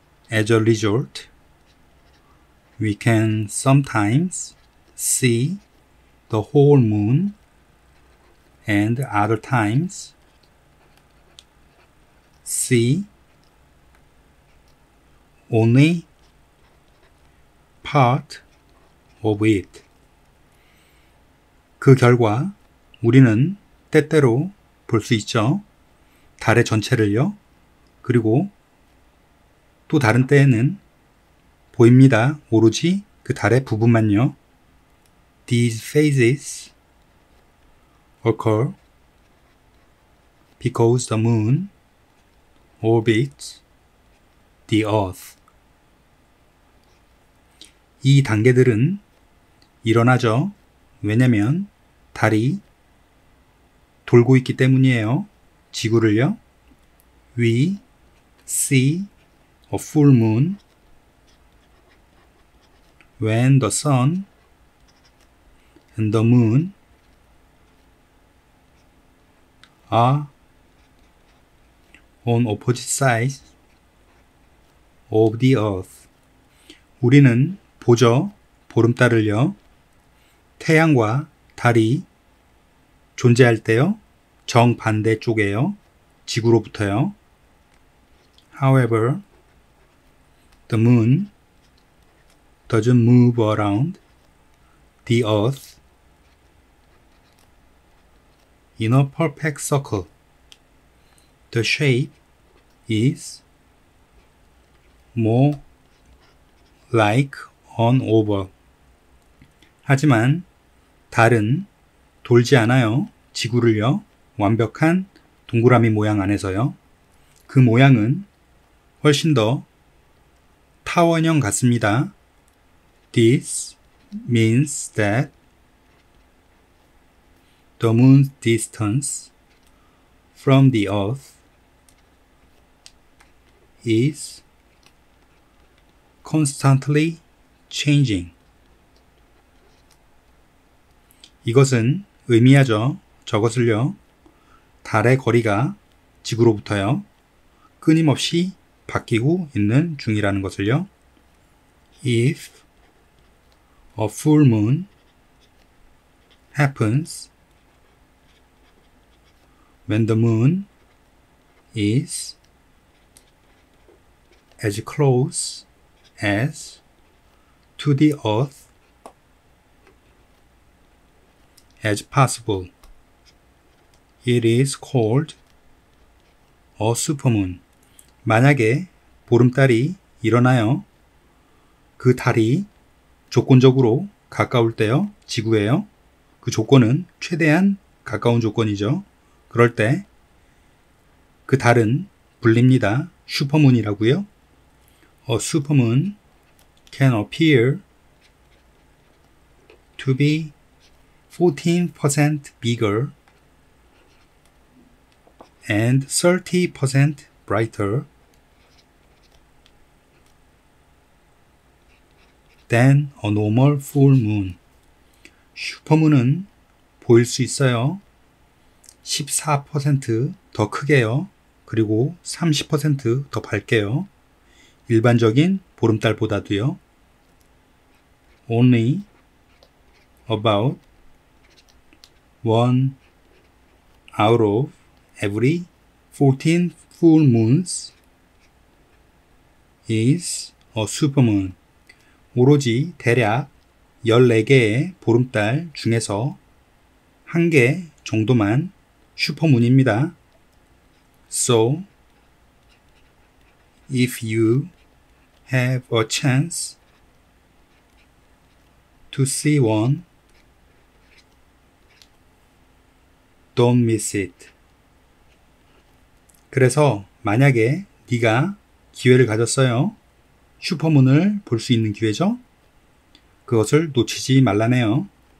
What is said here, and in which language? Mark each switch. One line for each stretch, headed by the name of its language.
English: As a result, we can sometimes see the whole moon and other times see only part of it.
Korean: 그 결과 우리는 때때로 볼 수 있죠. 달의 전체를요. 그리고 또 다른 때에는 보입니다. 오로지 그 달의 부분만요.
English: These phases occur because the moon orbits the earth.
Korean: 이 단계들은 일어나죠. 왜냐면 달이 돌고 있기 때문이에요. 지구를요.
English: We see a full moon when the sun and the moon are on opposite sides of the earth.
Korean: 우리는 보죠. 보름달을요. 태양과 달이 존재할 때요. 정반대쪽에요. 지구로부터요.
English: However, the moon doesn't move around the earth in a perfect circle. The shape is more like an oval.
Korean: 하지만 달은 돌지 않아요. 지구를요. 완벽한 동그라미 모양 안에서요. 그 모양은 훨씬 더 타원형 같습니다.
English: This means that the moon's distance from the earth is constantly changing.
Korean: 이것은 의미하죠. 저것을요. 달의 거리가 지구로부터요. 끊임없이 바뀌고 있는 중이라는 것을요.
English: If a full moon happens when the moon is as close as to the earth as possible, it is called a supermoon.
Korean: 만약에 보름달이 일어나요. 그 달이 조건적으로 가까울 때요. 지구에요. 그 조건은 최대한 가까운 조건이죠. 그럴 때 그 달은 불립니다. 슈퍼문이라고요.
English: A supermoon can appear to be 14% bigger and 30% brighter than a normal full moon.
Korean: 슈퍼문은 보일 수 있어요. 14% 더 크게요. 그리고 30% 더 밝게요. 일반적인 보름달보다도요.
English: Only about one out of every 14 full moons is a supermoon.
Korean: 오로지 대략 14개의 보름달 중에서 한 개 정도만 슈퍼문입니다.
English: So, if you have a chance to see one, don't miss it.
Korean: 그래서 만약에 네가 기회를 가졌어요. 슈퍼문을 볼 수 있는 기회죠? 그것을 놓치지 말라네요.